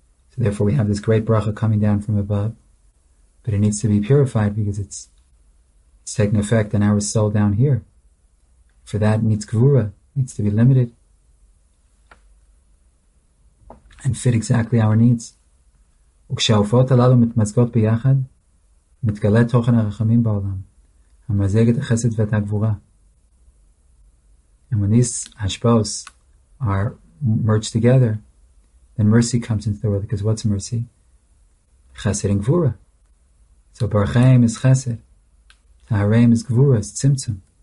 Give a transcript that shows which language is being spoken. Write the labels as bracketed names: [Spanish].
[English] So therefore we have this great bracha coming down from above, but it needs to be purified because it's taking effect on our soul down here. For that, it needs gevura, needs to be limited and fit exactly our needs. [Hebrew] וכשהעופות הללו מתמזגות ביחד, מתגלה תוכן הרחמים בעולם, המזג את החסד ואת הגבורה. [English] And when these Ashbos are merged together, then mercy comes into the world. Because what's mercy? Chesed and Gvura. So Barachayim is Chesed. Tahareim is Gvura, is Tzimtzum.